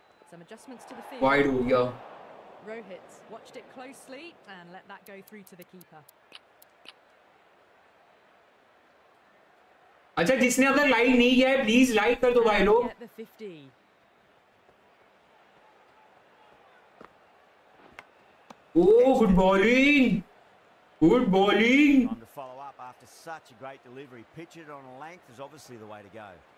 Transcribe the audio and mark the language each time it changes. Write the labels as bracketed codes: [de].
[en] Some adjustments to the field. [hi] Wide हो गया. [en] Rohit watched it closely and let that go through to the keeper. [hi] अच्छा जिसने अगर like नहीं किया है प्लीज लाइक कर दो भाई लोग. [en] Oh good bowling, good bowling. On the follow up after such a great delivery, pitch it on a length is obviously the way to go.